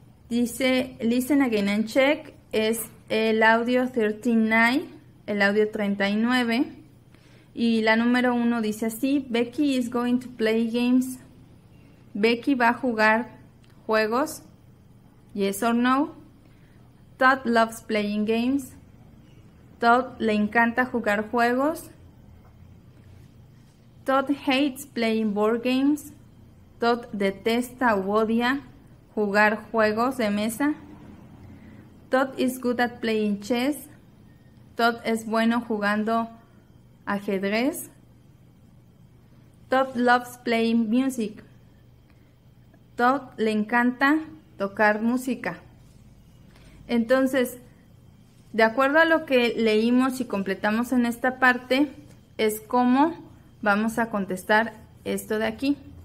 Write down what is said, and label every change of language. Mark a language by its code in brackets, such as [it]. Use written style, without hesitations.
[es] Dice [en] listen again and check, [es] es el audio 39, el audio 39. Y la número uno dice así, [en] Becky is going to play games. [es] Becky va a jugar juegos, [en] yes or no. Todd loves playing games. [es] Todd le encanta jugar juegos. [en] Todd hates playing board games. [es] Todd detesta o odia jugar juegos de mesa. [en] Todd is good at playing chess. [es] Todd es bueno jugando ajedrez. [en] Todd loves playing music. [es] Todd le encanta tocar música. Entonces, de acuerdo a lo que leímos y completamos en esta parte, es cómo vamos a contestar esto de aquí.